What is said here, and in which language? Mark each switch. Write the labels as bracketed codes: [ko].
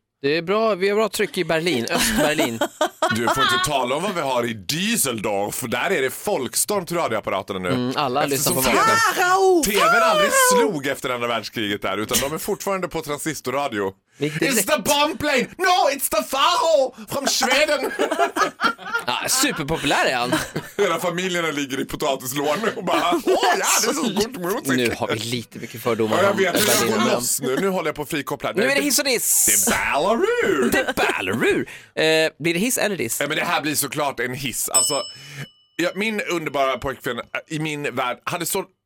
[sv] Det är bra, vi har bra tryck i Berlin, Östberlin. Du får inte tala om vad vi har i Düsseldorf. Där är det folkstorm till radioapparaterna nu. Mm, alla lyssnar på vägen. TVn aldrig slog efter andra världskriget där, utan de är fortfarande på transistorradio. [en] It's the bomb plane! No, it's the Faro from Sweden! [sv] Ja, superpopulär är han. Hela familjerna ligger i potatislån och bara, åh ja, det är så gott musik. Nu har vi lite mycket fördomar. Ja, jag vet, jag går loss nu. Nu håller jag på att frikoppla. Nu är det hiss och diss. Det är Ballarur. Det är Ballarur. Blir det hiss eller diss? Ja, men det här blir såklart en hiss. Alltså, ja, min underbara pojkvän i min värld hade så...